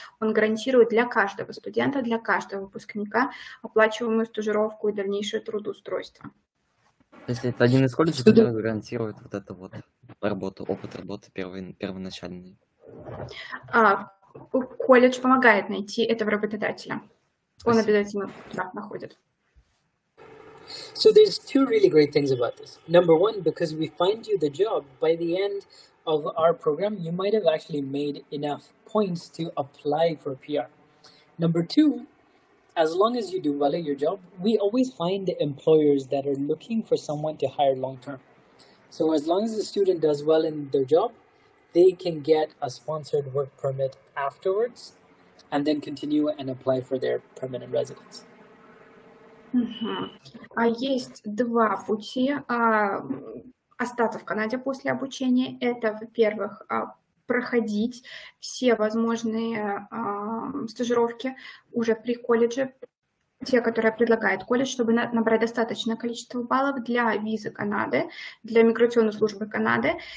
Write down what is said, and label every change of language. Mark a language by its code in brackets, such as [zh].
[ru] Он гарантирует для каждого студента, для каждого выпускника оплачиваемую стажировку и дальнейшее трудоустройство. То есть это один из колледжей, который гарантирует вот эту вот работу, опыт работы первоначальный? Колледж помогает найти этого работодателя. Спасибо. Он обязательно находит. [en] So there's two really great things about this. Number one, because we find you the job, by the end of our program, you might have actually made enough points to apply for PR. Number two, as long as you do well at your job, we always find employers that are looking for someone to hire long-term. So as long as the student does well in their job, they can get a sponsored work permit afterwards and then continue and apply for their permanent residence. Угу. [ru] Есть два пути остаться в Канаде после обучения. Это, во-первых, проходить все возможные стажировки уже при колледже, те, которые предлагает колледж, чтобы набрать достаточное количество баллов для визы Канады, для миграционной службы Канады.